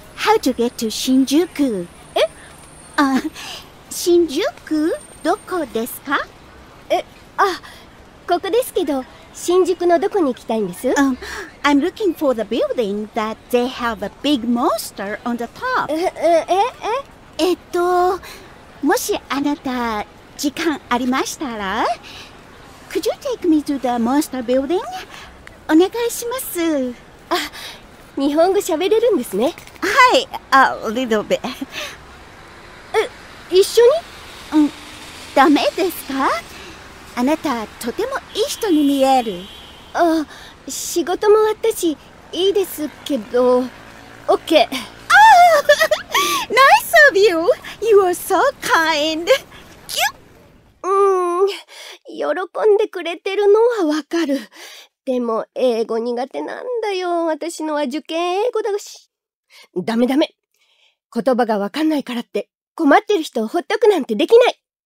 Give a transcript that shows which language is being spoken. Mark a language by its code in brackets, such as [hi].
[en] How to get to 新宿？ [ja] え？あ、新宿どこですか？え、あ、ここですけど、新宿のどこに行きたいんです？ [en] I'm looking for the building that they have a big monster on the top. [ja] もしあなた時間ありましたら、 [en] Could you take me to the monster building? [ja] お願いします。あ、日本語喋れるんですね。はい、 [en] a little bit. [ja] え、一緒に？うん、ダメですか？あなたとてもいい人に見える。あ、仕事もあったし、いいですけど、OK。 [en] ああ、Nice of you! You are so kind! キュッ！ [ja] 喜んでくれてるのはわかる。でも、英語苦手なんだよ。私のは受験英語だし。ダメダメ。言葉がわかんないからって、困ってる人をほっとくなんてできない。